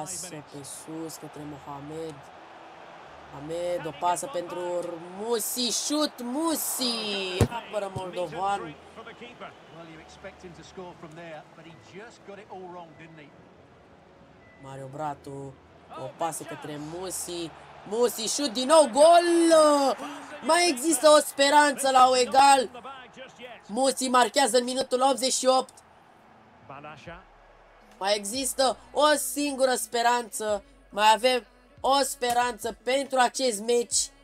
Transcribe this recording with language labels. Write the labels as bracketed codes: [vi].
[ro] pasă pe sus către Mohamed. Mohamed, o pasă pentru Musi. Shoot, Musi! Apără moldovan. [en] Well, you expect him to score from there, but he just got it all wrong, didn't he? [ro] Mario Bratu, o pasă către Musi. Musi, shoot, din nou, gol! Mai există o speranță la o egal. Musi marchează în minutul 88. Balasha. Mai există o singură speranță. Mai avem o speranță pentru acest meci.